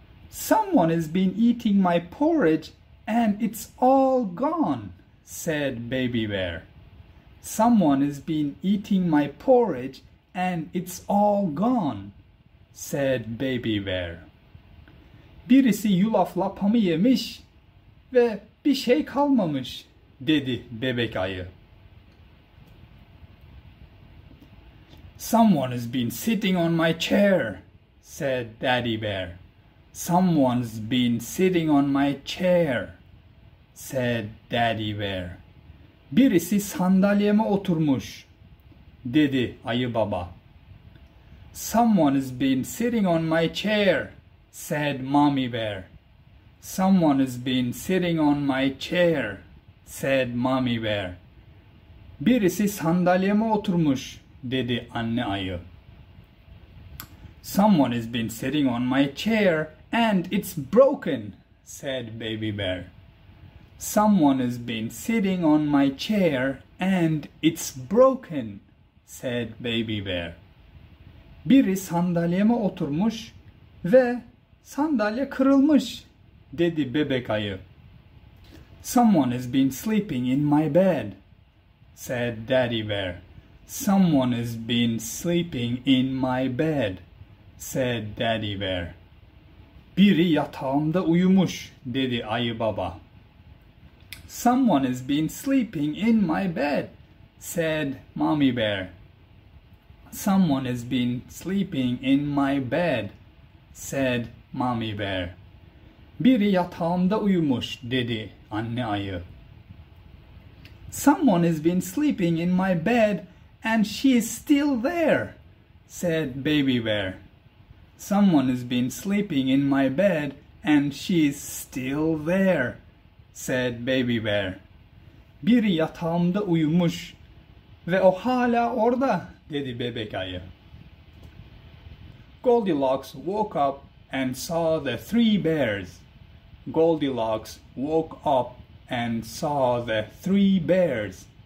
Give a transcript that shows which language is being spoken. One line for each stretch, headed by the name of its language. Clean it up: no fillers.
English: Someone has been eating my porridge and it's all gone, said Baby Bear. Someone has been eating my porridge and it's all gone, said Baby Bear.
Turkish: Birisi yulaf lapamı yemiş ve bir şey kalmamış, dedi bebek ayı.
English: Someone has been sitting on my chair, said Daddy Bear. Someone's been sitting on my chair, said Daddy Bear.
Turkish: Birisi sandalyeme oturmuş, dedi ayı baba.
English: Someone's been sitting on my chair, said Mommy Bear. Someone has been sitting on my chair, said Mommy Bear.
Turkish: Birisi sandalyeme oturmuş, dedi anne ayı.
English: Someone has been sitting on my chair and it's broken, said Baby Bear. Someone has been sitting on my chair and it's broken, said Baby Bear.
Turkish: Biri sandalyeme oturmuş ve sandalye kırılmış, dedi bebek ayı.
English: Someone has been sleeping in my bed, said Daddy Bear. Someone has been sleeping in my bed, said Daddy Bear.
Turkish: Biri yatağımda uyumuş, dedi ayı baba.
English: Someone has been sleeping in my bed, said Mommy Bear. Someone has been sleeping in my bed, said Mommy Bear.
Turkish: Biri yatağımda uyumuş, dedi anne ayı.
English: Someone has been sleeping in my bed and she is still there, said Baby Bear. Someone has been sleeping in my bed and she is still there, said Baby Bear.
Turkish: Biri yatağımda uyumuş ve o hala orada, dedi bebek ayı.
English: Goldilocks woke up and saw the three bears. Goldilocks woke up and saw the three bears.